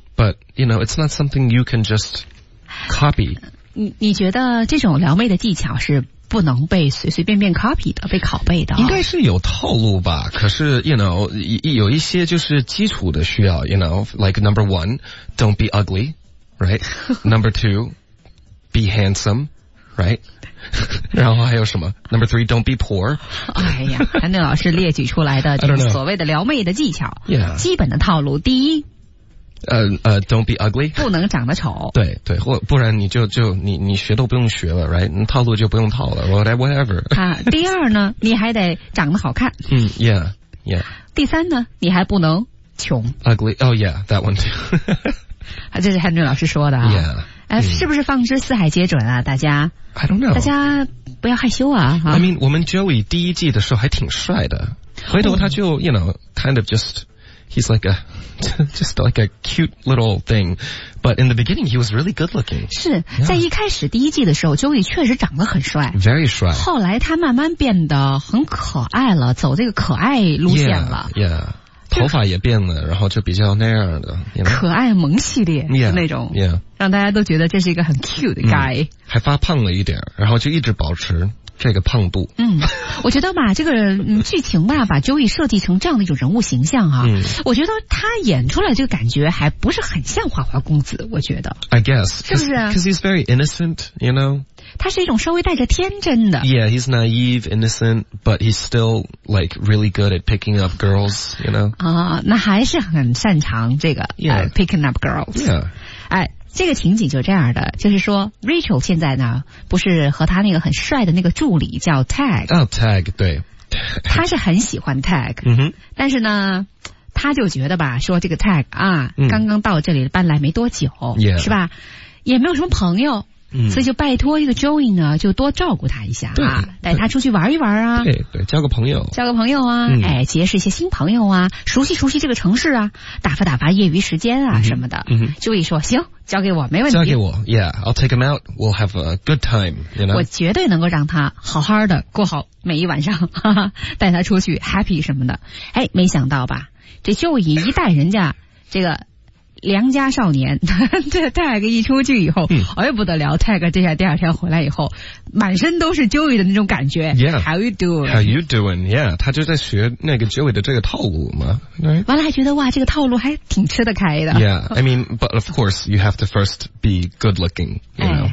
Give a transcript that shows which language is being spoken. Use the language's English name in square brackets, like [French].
[English] But, you know, it's not something you can just copy. [Chinese] 你觉得这种撩妹的技巧是不能被随随便便 copy 的，被拷贝的、应该是有套路吧。可是 you know, 有一些就是基础的需要 you know, [English] like number one, don't be ugly, right? Number two, be handsome, right? [Chinese] 然后还有什么 [English] ？Number three, don't be poor. [Chinese] 哎呀，韩正老师列举出来的这个所谓的撩妹的技巧， [English] yeah. [Chinese] 基本的套路，第一， [English] don't be ugly, [Chinese] 不能长得丑。对对，或不然你学都不用学了 ，right? 套路就不用套了 ，whatever. 啊，第二呢，你还得长得好看。 [English] yeah. [Chinese] 第三呢，你还不能穷。 [English] Ugly, oh yeah, that one too. [Chinese] 这是韩正老师说的啊。 [English] Yeah. [Chinese] 是不是放之四海皆准啊？大家 [English] ，I don't know， [Chinese] 大家不要害羞啊！哈 [English] ，I mean， 我们 Joey 第一季的时候还挺帅的，回头他就 you know kind of just he's like a just like a cute little thing， but in the beginning he was really good looking。 [Chinese] 是、yeah. 在一开始第一季的时候 ，Joey 确实长得很帅 [English] ，very 帅。 [Chinese] 后来他慢慢变得很可爱了，走这个可爱路线了，yeah。 头发也变了，然后就比较那样的 you know? 可爱萌系列 [English] yeah, [Chinese] 那种、 [English] yeah. [Chinese] 让大家都觉得这是一个很 cute guy、嗯、还发胖了一点，然后就一直保持这个胖度。嗯，我觉得吧，这个、剧情吧，把 Joey 设计成这样的一种人物形象啊、嗯、我觉得他演出来这个感觉还不是很像花花公子，我觉得 [English] I guess [Chinese] 是不是 [English] because he's very innocent you know， [Chinese] 他是一种稍微带着天真的 [English] yeah he's naive innocent but he's still like really good at picking up girls you know、 [Chinese] 那还是很擅长这个 [English] yeah, picking up girls yeah、 [Chinese] 这个情景就这样的，就是说 Rachel 现在呢不是和他那个很帅的那个助理叫 Tag、 [English] oh, Tag 对 [Chinese] 他是很喜欢 Tag、 [English] mm-hmm. [Chinese] 但是呢他就觉得吧，说这个 Tag 啊、嗯、刚刚到这里搬来没多久、 [English] yeah. [Chinese] 是吧，也没有什么朋友、嗯、所以就拜托这个 Joey 呢就多照顾他一下啊，带他出去玩一玩啊，对对，交个朋友交个朋友啊、嗯、哎，结识一些新朋友啊，熟悉熟悉这个城市啊，打发打发业余时间啊、嗯、什么的、嗯、 Joey 说行，交给我没问题，交给我 [English] yeah I'll take him out we'll have a good time you know? [Chinese] 我绝对能够让他好好的过好每一晚上，哈哈，带他出去 happy 什么的。哎，没想到吧，这就以一代人家这个良家少年这 Tag 一出去以后、嗯、哎不得了， Tag 这下第二天回来以后满身都是 Joey 的那种感觉 [English] yeah, How you doing? How you doing? Yeah, [Chinese] 他就在学那个 Joey 的这个套路嘛、right? 完了还觉得哇这个套路还挺吃得开的 [English] Yeah, I mean, but of course you have to first be good looking you know?、